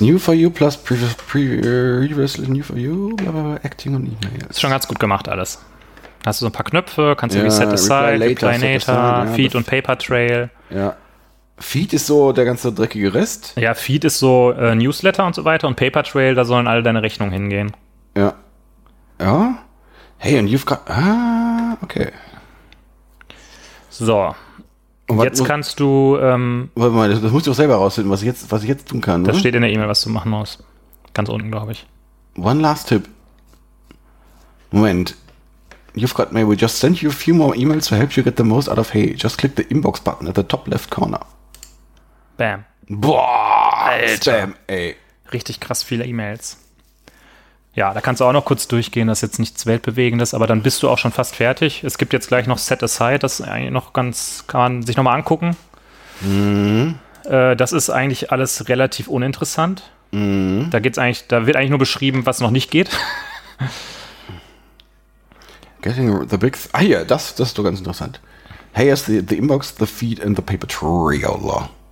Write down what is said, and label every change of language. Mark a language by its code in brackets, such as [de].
[en] New for you plus previously new for you. Blah, blah, blah, acting on emails. [de] Ist schon ganz gut gemacht alles. Da hast du so ein paar Knöpfe, kannst du reset aside, reply later, feed und paper trail. Ja. Feed ist so der ganze dreckige Rest. Ja, feed ist so Newsletter und so weiter und paper trail, da sollen alle deine Rechnungen hingehen. [en] Ja. Ja? Hey, and you've got. Ah, okay. [de] So. Und jetzt kannst du. Warte mal, das musst du auch selber rausfinden, was ich jetzt tun kann. Das steht in der E-Mail, was du machen musst. Ganz unten, glaube ich. [en] One last tip. Moment. You've got mail. We just sent you a few more emails to help you get the most out of hey. Just click the inbox button at the top left corner. Bam. Boah, [de] Alter. Bam, ey. Richtig krass viele E-Mails. Ja, da kannst du auch noch kurz durchgehen. Das ist jetzt nichts Weltbewegendes, aber dann bist du auch schon fast fertig. Es gibt jetzt gleich noch Set Aside. Das ist eigentlich noch ganz, kann man sich nochmal angucken. Das ist eigentlich alles relativ uninteressant. Da wird eigentlich nur beschrieben, was noch nicht geht. [en] Getting the big. [de] Das ist doch ganz interessant. [en] Hey, is the inbox, the feed and the paper trail?